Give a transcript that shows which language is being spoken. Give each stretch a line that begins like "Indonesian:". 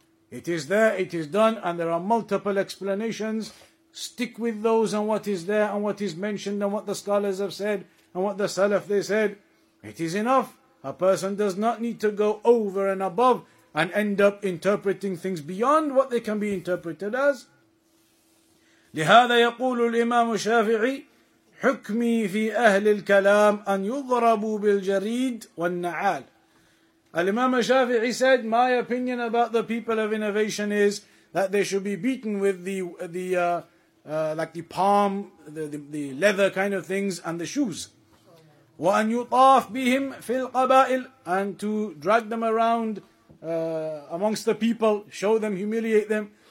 English: It is there, it is done, and there are multiple explanations. Stick with those and what is there and what is mentioned and what the scholars have said and what the Salaf they said. It is enough. A person does not need to go over and above and end up interpreting things beyond what they can be interpreted as.
Arabic: لهذا يقول الإمام الشافعي حكمي في أهل الكلام أن يضربوا بالجريد والنعال.
English: Al-Imam al-Shafi'i said, my opinion about the people of innovation is that they should be beaten with the palm, the leather kind of things and the shoes.
Arabic: وَأَنْ يُطَافْ بِهِمْ فِي الْقَبَائِلِ
English: And to drag them around amongst the people, show them, humiliate them.